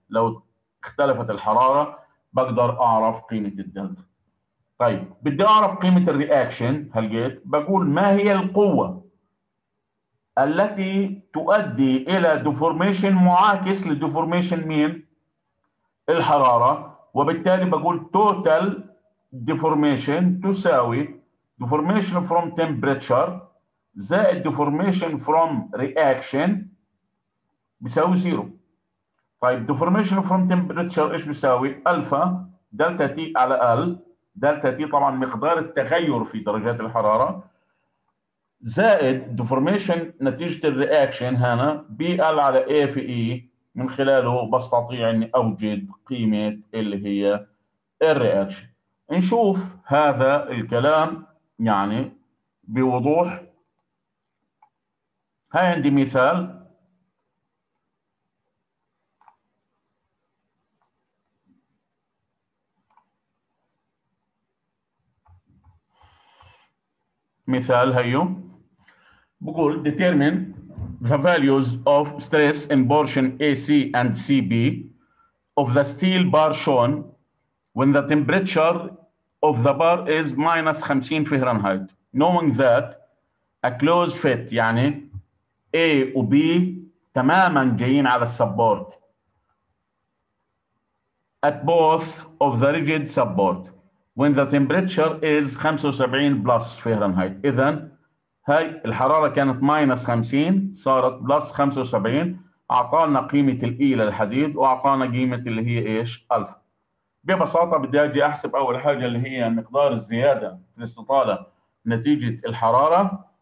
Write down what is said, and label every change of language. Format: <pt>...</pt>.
<ar>لو اختلفت الحرارة بقدر اعرف قيمة الدلتا. طيب بدي اعرف قيمة الرياكشن، هلقيت بقول ما هي القوة التي تؤدي إلى</ar> <en>deformation</en> <ar>معاكس لديفورميشن مين؟ الحرارة. وبالتالي بقول</ar> <en>total deformation</en> <ar>تساوي</ar> <en>deformation from temperature</en> <ar>زائد</ar> <en>deformation from reaction</en> <ar>بيساوي</ar> <en>zero.</en> <ar>طيب</ar> <en>deformation from temperature</en> <ar>إيش بيساوي؟ ألفا دلتا تي على ال، دلتا تي طبعا مقدار التغير في درجات الحرارة، زائد deformation نتيجة الرياكشن هنا بي ال على اي في اي. من خلاله بستطيع اني اوجد قيمة اللي هي الرياكشن. نشوف هذا الكلام يعني بوضوح. هاي عندي مثال، مثال هيو بقول</ar> <en>determine the values of stress in portion AC and CB of the steel bar shown when the temperature of the bar is minus 50 Fahrenheit. Knowing that a close fit</en> <ar>يعني A و B تماما جايين على السبورت</ar> <en>at both of the rigid support when the temperature is 75 plus Fahrenheit.</en> <ar>إذن هاي الحرارة كانت ماينس 50 صارت بلس 75، أعطانا قيمة الإي للحديد وأعطانا قيمة اللي هي إيش؟ ألف. ببساطة بدي أجي أحسب أول حاجة اللي هي مقدار الزيادة في الاستطالة نتيجة الحرارة.</ar>